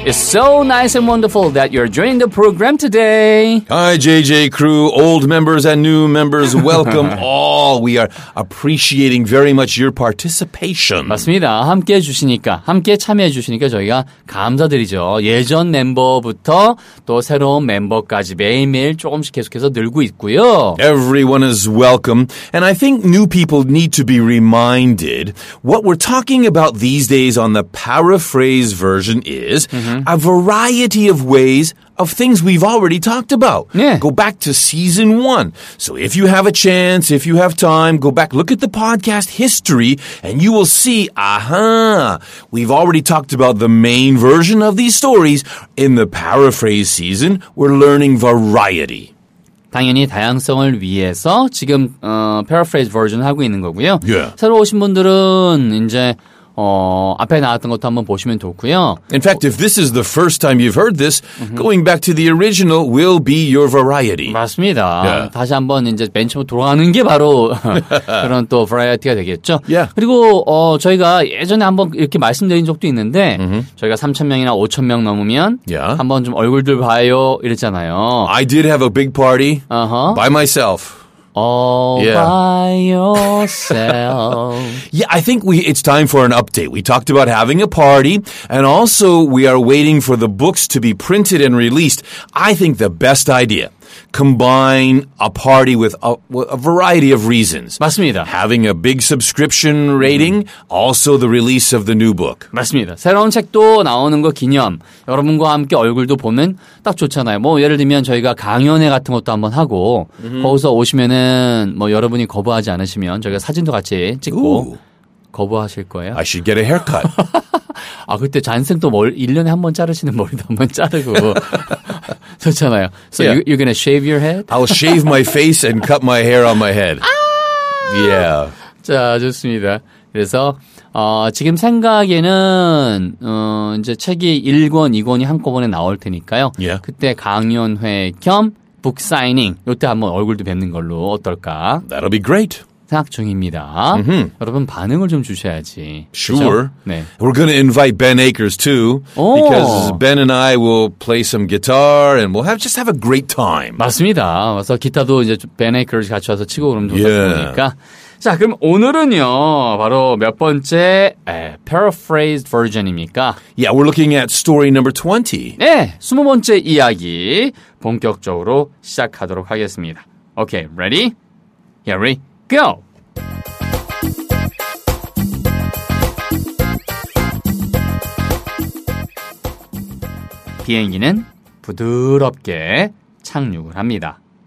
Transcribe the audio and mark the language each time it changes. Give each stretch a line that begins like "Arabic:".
English: It's so nice and wonderful that you're joining the program today. Hi JJ crew, old members and new members, welcome all. We are appreciating very much your participation.
Korean: 맞습니다. 함께 해주시니까, 함께 참여해 주시니까 저희가 감사드리죠. 예전 멤버부터 또 새로운 멤버까지 매일매일 조금씩 계속해서 늘고 있고요.
English: Everyone is welcome. And I think new people need to be reminded what we're talking about these days on the paraphrase version is a variety of ways of things we've already talked about. Yeah. Go back to season one. So if you have a chance, if you have time, go back, look at the podcast history, and you will see, aha, we've already talked about the main version of these stories. In the paraphrase season, we're learning variety.
Korean: 당연히 다양성을 위해서 지금 paraphrase version 하고 있는 거고요.
English: Yeah.
Korean: 새로 오신 분들은 이제 앞에 나왔던 것도 한번 보시면 좋고요.
English: In fact, if this is the first time you've heard this, going back to the original will be your variety.
Korean: 맞습니다. Yeah. 다시 한번 이제 맨 처음 돌아가는 게 바로 그런 또 variety가 되겠죠.
English: Yeah.
Korean: 그리고 저희가 예전에 한번 이렇게 말씀드린 적도 있는데 저희가 3,000명이나 5,000명 넘으면 한번 좀 얼굴들 봐요 이랬잖아요.
English: I did have a big party by myself. All by yourself. Yeah, I think it's time for an update. We talked about having a party, and also we are waiting for the books to be printed and released. I think the best idea, combine a party with a variety of reasons.
Korean: 맞습니다.
English: Having a big subscription rating, also the release of the new book.
Korean: 맞습니다. 새로운 책도 나오는 거 기념, 여러분과 함께 얼굴도 보면 딱 좋잖아요. 뭐 예를 들면 저희가 강연회 같은 것도 한번 하고 거기서 오시면은 뭐 여러분이 거부하지 않으시면 저희가 사진도 같이 찍고 거부하실 거예요.
English: I should get a haircut.
Korean: 아 그때 잔생 또 1년에 한 번 자르시는 머리도 한번 자르고 좋잖아요.
English: So yeah. you're gonna shave your head? I'll shave my face and cut my hair on my head. 아! Yeah.
Korean: 자 좋습니다. 그래서 지금 생각에는 이제 책이 1권, 2권이 한꺼번에 나올 테니까요.
English: Yeah.
Korean: 그때 강연회 겸 북 사이닝 이때 한번 얼굴도 뵙는 걸로 어떨까?
English: That'll be great.
Korean: 생각 중입니다. 여러분 반응을 좀 주셔야지.
English: Sure.
Korean: 그렇죠? 네.
English: We're going to invite Ben Akers too. Because Ben and I will play some guitar and we'll just have a great time.
Korean: 맞습니다. 그래서 기타도 이제 Ben Akers 같이 와서 치고 그럼 좋으니까. Yeah. 자, 그럼 오늘은요. 바로 몇 번째 paraphrased version입니까?
English: Yeah, we're looking at story number 20.
Korean: 네, 20번째 이야기 본격적으로 시작하도록 하겠습니다.
English: Okay, ready? Here we go. Go!
Korean: B행기는 부드럽게 착륙을 합니다.